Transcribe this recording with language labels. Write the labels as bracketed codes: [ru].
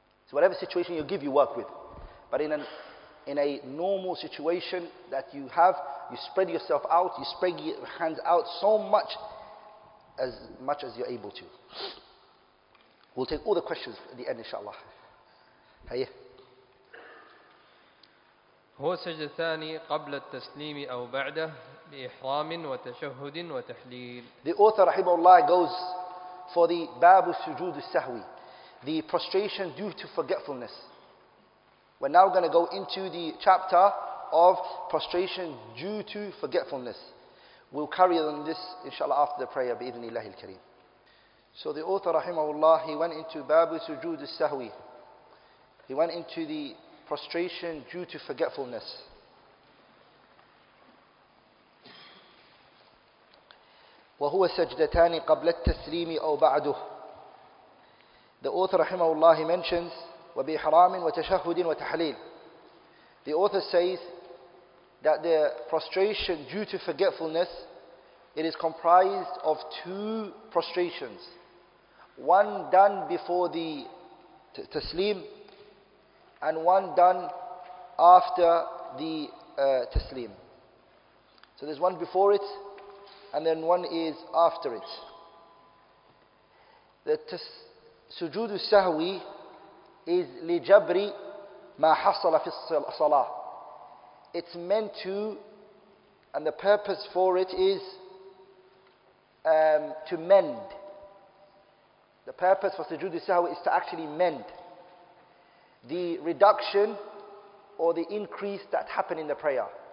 [en] So whatever situation you give, you work with. But in a normal situation that you have, you spread yourself out, you spread your hands out so much as you're able to. We'll take all the questions at the end, inshallah. Hayya. [ar] هو سجد ثاني قبل التسليم أو بعده بإحرام وتشهد وتحليل. [en] The author رحمه الله goes for the [ar] باب السجود السهوي, [en] the prostration due to forgetfulness. We're now going to go into the chapter of prostration due to forgetfulness. We'll carry on this inshallah after the prayer [ar] بإذن الله الكريم. [en] So the author رحمه الله, he went into [ar] باب السجود السهوي. [en] He went into the prostration due to forgetfulness. [ar] وهو سجدتان قبل التسليم أو بعده. [en] The author [ar] رحمه الله [en] mentions [ar] وبإحرام وتشهد وتحليل. [en] The author says that the prostration due to forgetfulness, it is comprised of two prostrations. One done before the taslim and one done after the taslim. So there's one before it, and then one is after it. The sujood al-sahwi is [ar] لجبر ما حصل في الصلاة. [en] It's meant to, and the purpose for it is to mend. The purpose for sujood al-sahwi is to actually mend the reduction or the increase that happened in the prayer.